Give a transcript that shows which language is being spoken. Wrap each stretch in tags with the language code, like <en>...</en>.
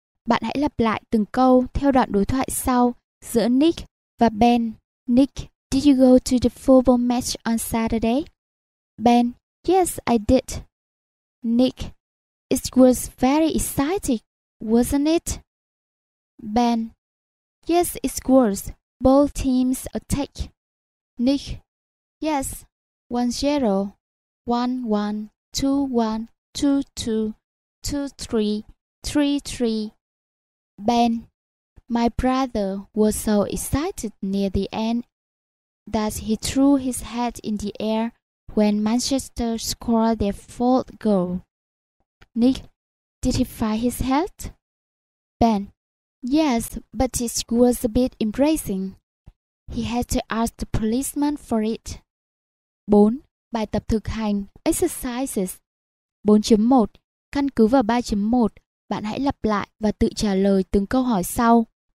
<vi>Bạn hãy lặp lại từng câu theo đoạn đối thoại sau giữa Nick và Ben.</vi> <en>Nick, did you go to the football match on Saturday? Ben, yes, I did. Nick, it was very exciting, wasn't it? Ben, yes, it was. Both teams attack. Nick, yes, 1-0, 1-1, 2-1, 2-2, 2-3, 3-3. Ben, my brother was so excited near the end that he threw his hat in the air when Manchester scored their fourth goal. Nick, did he fire his hat? Ben, yes, but it was a bit embarrassing. He had to ask the policeman for it. 4.</en> <vi>Bài tập thực hành Exercises. 4.1. Căn cứ vào 3.1, bạn hãy lặp lại và tự trả lời từng câu hỏi sau.</vi>